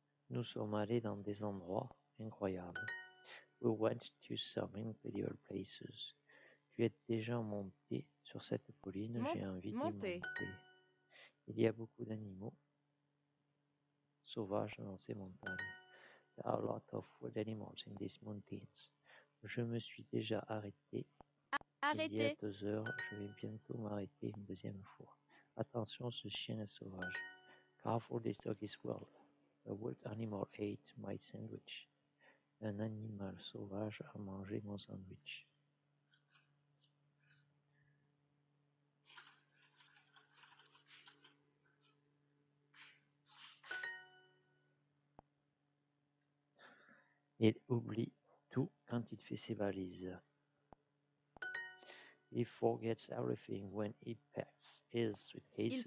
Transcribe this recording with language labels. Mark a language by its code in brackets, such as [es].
[fr] Nous sommes allés dans des endroits incroyables. [en] We went to some incredible places. [fr] Tu es déjà monté sur cette colline. J'ai envie monter. D'y monter. Il y a beaucoup d'animaux sauvages dans ces montagnes. [en] There are a lot of wild animals in these mountains. [fr] Je me suis déjà arrêté. Arrêté. Il y a 2 heures. Je vais bientôt m'arrêter une deuxième fois. Attention, ce chien est sauvage. [en] Careful, this dog is wild. A wild animal ate my sandwich. [fr] Un animal sauvage a mangé mon sandwich. Il oublie tout quand il fait ses valises. [en] He forgets everything when he packs his suitcases.